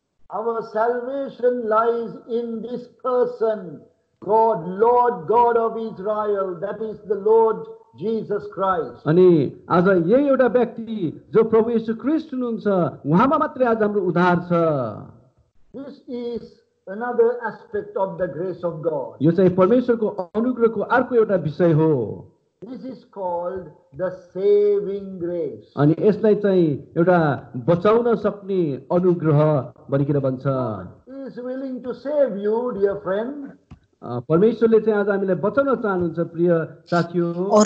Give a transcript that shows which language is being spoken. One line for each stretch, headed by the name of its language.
English: Our salvation lies in this person God, Lord God of Israel, that is the Lord Jesus Christ.
Nepali: अनि आज यही एउटा व्यक्ति जो प्रभु येशू ख्रीष्ट हुनुहुन्छ उहाँमा मात्रै आज हाम्रो उद्धार छ
English: This is another aspect of the grace of God.
Nepali: यो चाहिँ परमेश्वरको अनुग्रहको अर्को एउटा विषय हो
English: This is called the saving grace.
Nepali: अनि यसलाई चाहिँ एउटा बचाउन सक्ने अनुग्रह भनिकन भन्छ
English: He is willing to save you, dear friend.
Nepali: परमेश्वरले चाहिँ आज हामीलाई बचाउन चाहनुहुन्छ प्रिय साथीहरु